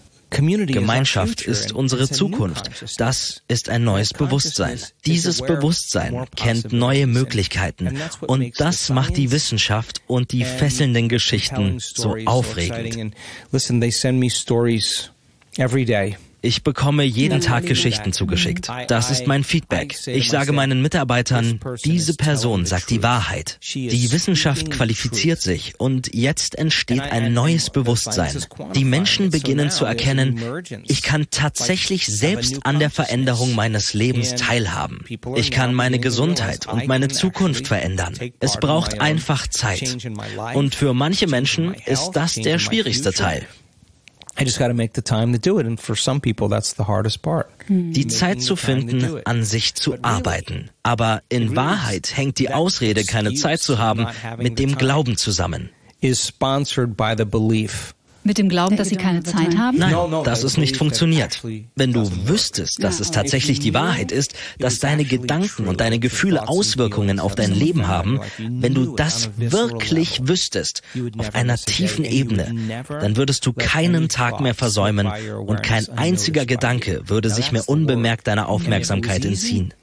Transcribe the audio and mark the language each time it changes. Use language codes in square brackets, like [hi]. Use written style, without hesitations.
[de] Gemeinschaft ist unsere Zukunft. Das ist ein neues Bewusstsein. Dieses Bewusstsein kennt neue Möglichkeiten. Und das macht die Wissenschaft und die fesselnden Geschichten so aufregend. [en] Listen, they send me stories every day. [de] Ich bekomme jeden Tag Geschichten zugeschickt. Das ist mein Feedback. Ich sage meinen Mitarbeitern, diese Person sagt die Wahrheit. Die Wissenschaft qualifiziert sich und jetzt entsteht ein neues Bewusstsein. Die Menschen beginnen zu erkennen, ich kann tatsächlich selbst an der Veränderung meines Lebens teilhaben. Ich kann meine Gesundheit und meine Zukunft verändern. Es braucht einfach Zeit. Und für manche Menschen ist das der schwierigste Teil. [en] I just got to make the time to do it, and for some people that's the hardest part. [de] Die Zeit zu finden, an sich zu arbeiten. Aber in Wahrheit hängt die Ausrede, keine Zeit zu haben, mit dem Glauben zusammen. [en] Is sponsored by the belief. [de] mit dem Glauben, dass sie keine Zeit haben? Nein, das ist nicht funktioniert. Wenn du wüsstest, dass es tatsächlich die Wahrheit ist, dass deine Gedanken und deine Gefühle Auswirkungen auf dein Leben haben, wenn du das wirklich wüsstest, auf einer tiefen Ebene, dann würdest du keinen Tag mehr versäumen und kein einziger Gedanke würde sich mehr unbemerkt deiner Aufmerksamkeit entziehen.